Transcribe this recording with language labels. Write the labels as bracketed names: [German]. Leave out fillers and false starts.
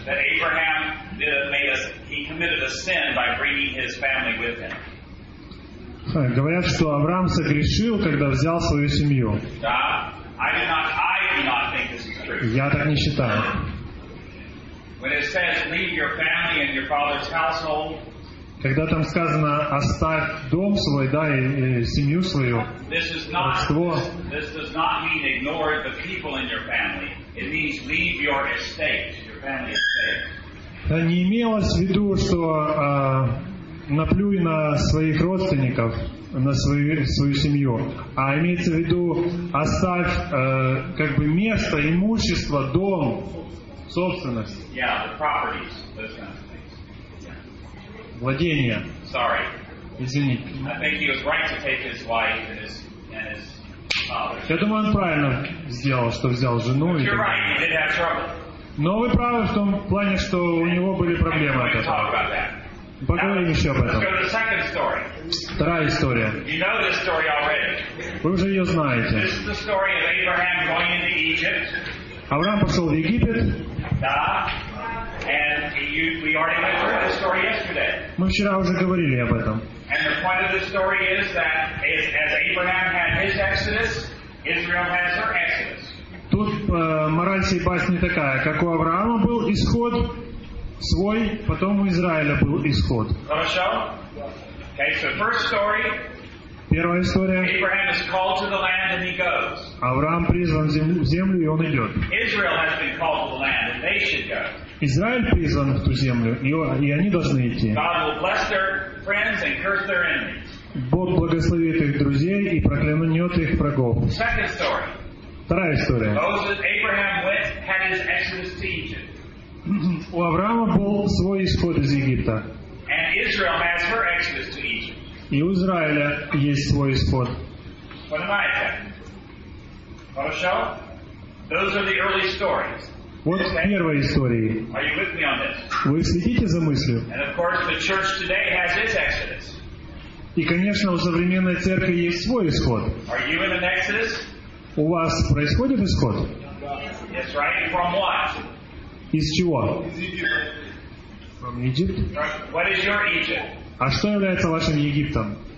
[English] That Abraham he committed a sin by bringing his family with him. [Russian] Говорят, что Авраам согрешил, когда взял свою семью. [English] I do not think this is true. [Russian] Я так не считаю. [English] When it says leave your family and your father's household. [Russian] Когда там сказано оставь дом свой, да, и семью свою, родство. [English] This does not mean ignore the people in your family. It means leave your estate, your family estate. [Russian] Не имелось в виду, что наплюй на своих родственников, на свою семью, а имеется в виду оставь как бы место, имущество, дом, собственность. [English] Yeah, the properties, those kinds. [Russian] Владение. [English] Sorry. [Russian] Извини. [English] I think he was right to take his wife and his father. [Russian] Я думаю, он правильно сделал, что взял жену. [English] But you're right, he did have trouble. [Russian] Но вы правы в том плане, что у него были проблемы. Поговорим еще об этом. [English] Let's go to the second story. [Russian] Вторая история. [English] You know this story already. [Russian] Вы уже ее знаете. [English] This is the story of Abraham going into Egypt. [Russian] Авраам пошел в Египет. Да. [English] And we already went through this story yesterday. [Russian] Мы вчера уже говорили об этом. [English] And the point of this story is that as Abraham had his exodus, Israel has her exodus. [Russian] Тут мораль всей басни такая: как у Авраама был исход свой, потом у Израиля был исход. [English] Хорошо? Okay, so first story. [Russian] Первая история. [English] Abraham is called to the land and he goes. [Russian] Авраам призван в землю, и он идет. [English] Israel has been called to the land and they should go. [Russian] Израиль призван в ту землю, и они должны идти. [English] God will bless their friends and curse their enemies. [Russian] Бог благословит их друзей и проклянет их врагов. [English] Second story. [Russian] Вторая история. [English] Moses, Abraham went, had his exodus to Egypt. [Russian] У Авраама был свой исход из Египта. [English] And Israel has her exodus to Egypt. [Russian] И у Израиля есть свой исход. Понимаете? Хорошо? [English] Those are the early stories. [Russian] Вот первая история. [English] Are you with me on this? [Russian] Вы следите за мыслью? [English] And of course, the church today has its exodus. [Russian] И, конечно, у современной церкви есть свой исход. [English] Are you in an exodus? [Russian] У вас происходит исход? [English] Yes, right. From what? [Russian] Из чего? Из Египта. [English] From Egypt? What is your Egypt? [Russian] А что является вашим Египтом?